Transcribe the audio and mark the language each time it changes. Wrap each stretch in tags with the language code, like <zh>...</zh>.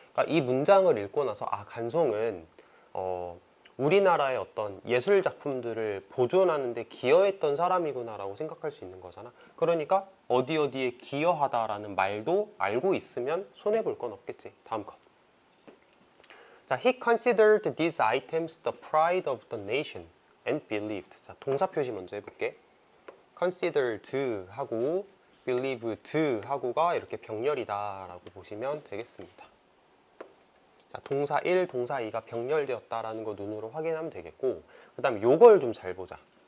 <ko>그러니까 이 문장을 읽고 나서 아 간송은 우리나라의 어떤 예술 작품들을 보존하는 데 기여했던 사람이구나라고 생각할 수 있는 거잖아. 그러니까 어디 어디에 기여하다라는 말도 알고 있으면 손해 볼 건 없겠지. 다음 거.</ko> <en>자, he considered these items the pride of the nation and believed.</en> <ko>자, 동사 표시 먼저 해 볼게. considered 하고 believed 하고가 이렇게 병렬이다라고 보시면 되겠습니다. 자, 동사 1, 동사 2가 병렬되었다라는 거 눈으로 확인하면 되겠고, 그 다음에 요걸 좀 잘 보자.</ko>